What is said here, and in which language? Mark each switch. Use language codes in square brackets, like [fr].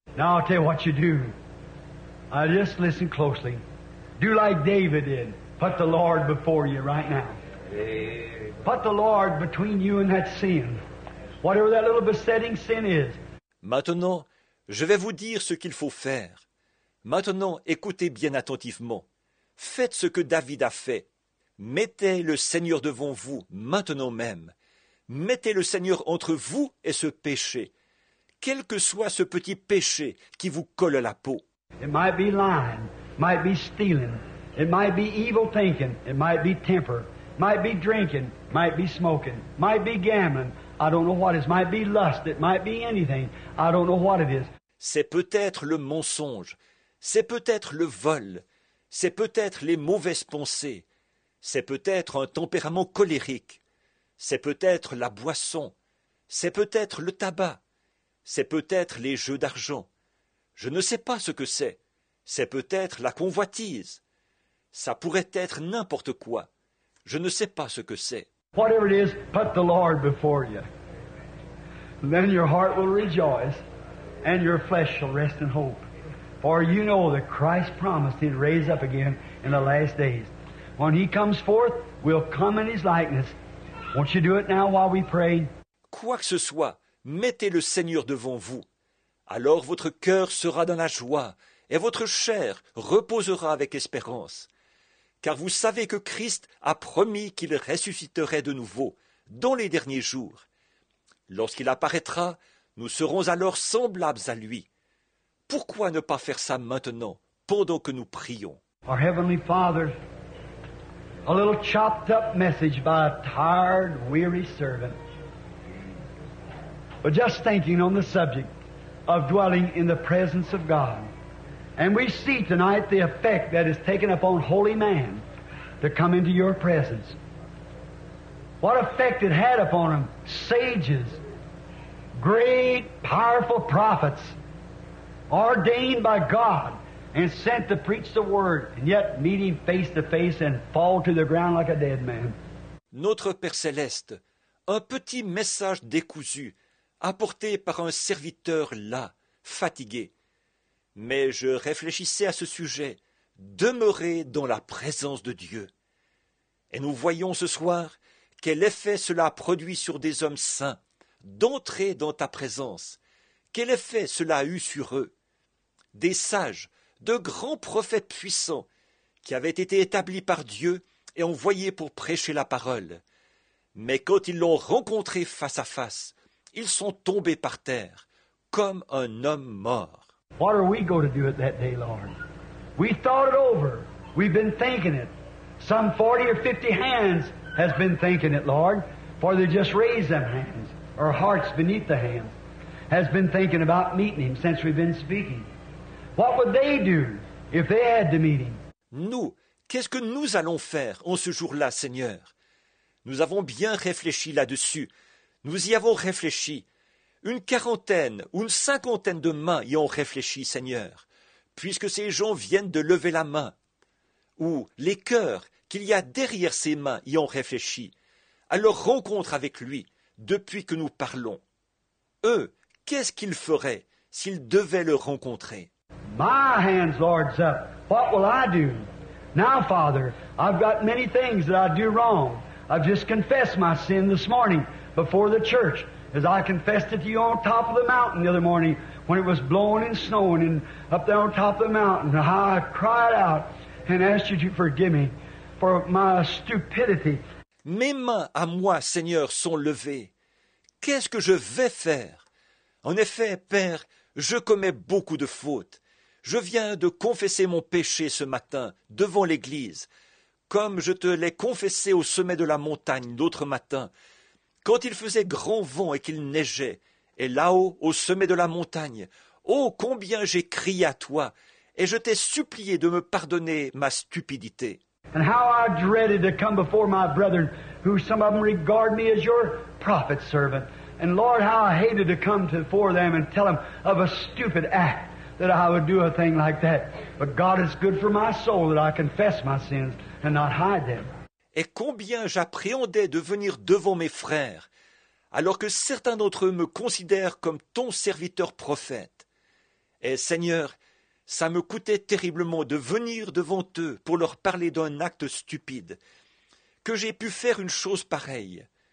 [en] Now I'll tell you what you do. I just listen closely. Do like David did. Put the Lord before you right now. Put the Lord between you and that sin. Whatever that little besetting sin is. [fr] Maintenant, je vais vous dire ce qu'il faut faire. Maintenant, écoutez bien attentivement. Faites ce que David a fait. Mettez le Seigneur devant vous, maintenant même. Mettez le Seigneur entre vous et ce péché. Quel que soit ce petit péché qui vous colle la peau. [en] It might be lying, might be stealing, it might be evil thinking, it might be temper, might be drinking, might be smoking, might be gambling, I don't know what it is, might be lust, it might be anything, I don't know what it is. [fr] C'est peut-être le mensonge, c'est peut-être le vol, c'est peut-être les mauvaises pensées, c'est peut-être un tempérament colérique, c'est peut-être la boisson, c'est peut-être le tabac, c'est peut-être les jeux d'argent. Je ne sais pas ce que c'est. C'est peut-être la convoitise. Ça pourrait être n'importe quoi. Je ne sais pas ce que c'est. [en] Whatever it is, put the Lord before you. Then your heart will rejoice and your flesh shall rest in hope. For you know that Christ promised he'd raise up again in the last days. When he comes forth, we'll come in his likeness. Won't you do it now while we pray? [fr] Quoi que ce soit, mettez le Seigneur devant vous. Alors votre cœur sera dans la joie et votre chair reposera avec espérance. Car vous savez que Christ a promis qu'il ressusciterait de nouveau dans les derniers jours. Lorsqu'il apparaîtra, nous serons alors semblables à lui. Pourquoi ne pas faire ça maintenant, pendant que nous prions? [en] Our Heavenly Father, a little chopped up message by a tired, weary servant. But just thinking on the subject of dwelling in the presence of God. And we see tonight the effect that is taken upon holy man to come into your presence. What effect it had upon him. Sages, great, powerful prophets, ordained by God and sent to preach the word, and yet meet him face to face and fall to the ground like a dead man. [fr] Notre Père Céleste, un petit message décousu, apporté par un serviteur là, fatigué. Mais je réfléchissais à ce sujet, demeurer dans la présence de Dieu. Et nous voyons ce soir quel effet cela a produit sur des hommes saints, d'entrer dans ta présence. Quel effet cela a eu sur eux? Des sages, de grands prophètes puissants, qui avaient été établis par Dieu et envoyés pour prêcher la parole. Mais quand ils l'ont rencontré face à face, ils sont tombés par terre, comme un homme mort. [en] What are we going to do at that day, Lord? We thought it over. We've been thinking it. Some 40 or 50 hands has been thinking it, Lord, for they just raised them hands, or hearts beneath the hands, has been thinking about meeting him since we've been speaking. What would they do if they had to meet him? [fr] Nous, qu'est-ce que nous allons faire en ce jour-là, Seigneur? Nous avons bien réfléchi là-dessus. Nous y avons réfléchi. Une quarantaine ou une cinquantaine de mains y ont réfléchi, Seigneur, puisque ces gens viennent de lever la main. Ou les cœurs qu'il y a derrière ses mains y ont réfléchi, à leur rencontre avec lui, depuis que nous parlons. Eux, qu'est-ce qu'ils feraient s'ils devaient le rencontrer? [en] My hands, Lord's up. What will I do? Now, Father, I've got many things that I do wrong. I've just confessed my sin this morning before the church, as I confessed it to you on top of the mountain the other morning when it was blowing and snowing and up there on top of the mountain. How I cried out and asked you to forgive me for my stupidity. [fr] Mes mains à moi, Seigneur, sont levées. Qu'est-ce que je vais faire? En effet, Père, je commets beaucoup de fautes. Je viens de confesser mon péché ce matin devant l'Église, comme je te l'ai confessé au sommet de la montagne l'autre matin, quand il faisait grand vent et qu'il neigeait, et là-haut, au sommet de la montagne, oh, combien j'ai crié à toi, et je t'ai supplié de me pardonner ma stupidité. [en] And how I dreaded to come before my brethren, who some of them regard me as your prophet servant. And Lord, how I hated to come before them and tell them of a stupid act. That I would do a thing like that. But God is good for my soul that I confess my sins and not hide them. [fr] Et combien j'appréhendais de venir devant mes frères, alors que certains d'entre eux me considèrent comme ton serviteur prophète. Et Seigneur, ça me coûtait terriblement de venir devant eux pour leur parler d'un acte stupide, que j'ai pu faire une chose pareille.